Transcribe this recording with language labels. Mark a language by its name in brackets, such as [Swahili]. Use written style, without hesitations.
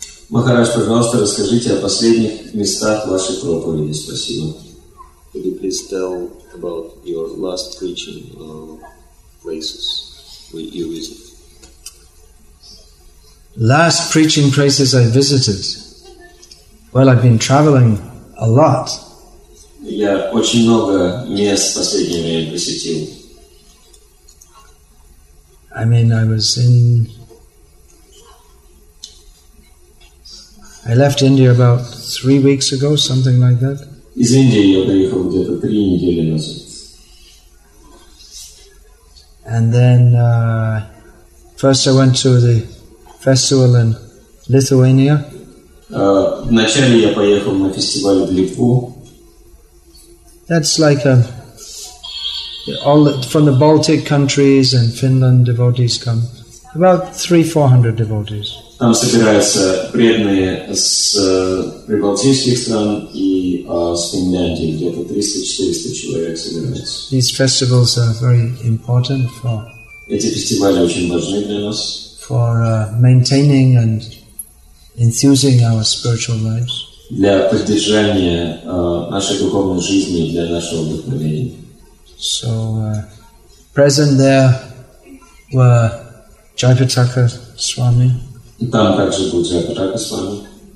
[Russian] Махарадж, пожалуйста, расскажите о последних местах вашей проповеди. Спасибо. [English] Could you please tell about your last preaching places where you visited? Last preaching places I visited? Well, I've been traveling a lot. [Russian] Я очень много мест в последнее время посетил. [English] I mean, I was in... I left India about 3 weeks ago, something like that. [Russian] Из Индии я приехал где-то 3 недели назад. [English] And then, first I went to the festival in Lithuania. [Russian] Вначале я поехал на фестиваль в Литву. [English] That's like all from the Baltic countries and Finland devotees come. About 300-400 devotees. [Russian] Там собираются преданные с прибалтийских стран и с Финляндии. Где-то 300-400 человек собираются. [English] These festivals are very important for... [Russian] Эти фестивали очень важны для нас. [English] For maintaining and enthusing our spiritual lives. [Russian] Для поддержания нашей духовной жизни, для нашего вдохновения. [English] So, present there were Jayapataka Swami. [Russian] Там также был Jayapataka Swami.